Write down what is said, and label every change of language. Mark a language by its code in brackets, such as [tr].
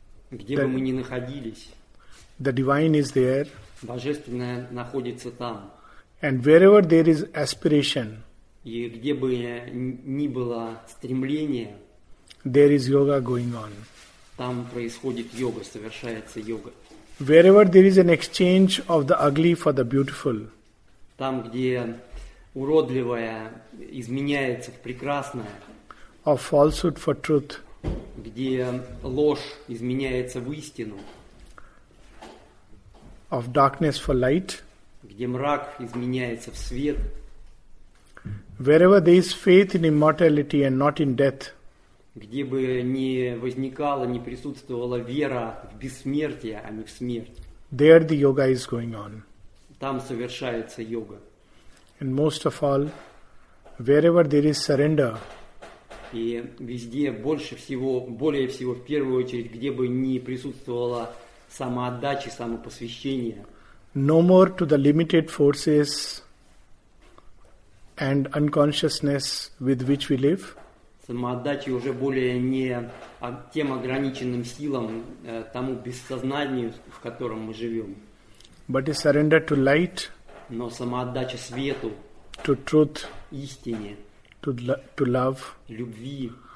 [ru] где бы мы ни находились, [en] the divine is there. [ru] Божественное находится там. [en] And wherever there is aspiration, [ru] и где бы ни было стремление, [en] there is yoga going on. [ru] Там происходит йога, совершается йога. [en] Wherever there is an exchange of the ugly for the beautiful, [ru] там, где уродливое изменяется в прекрасное, [en] of falsehood for truth, [ru] где ложь изменяется в истину, [en] of darkness for light, [ru] где мрак изменяется в свет, [en] wherever there is faith in immortality and not in death, [ru] где бы не возникала, не присутствовала вера в бессмертие, а не в смерть, [en] there the yoga is going on. [ru] Там совершается йога. [en] And most of all, wherever there is surrender, [ru] и везде больше всего, более всего, в первую очередь, где бы не присутствовала самоотдачи, самопосвящения. [en] No more to the limited forces and unconsciousness with which we live. [ru] Самоотдачи уже более не тем ограниченным силам, тому бессознанию, в котором мы живем. [en] But a surrender to light. [ru] Но самоотдача свету. [en] To truth. [ru] Истине. [en] To love. [ru] Любви.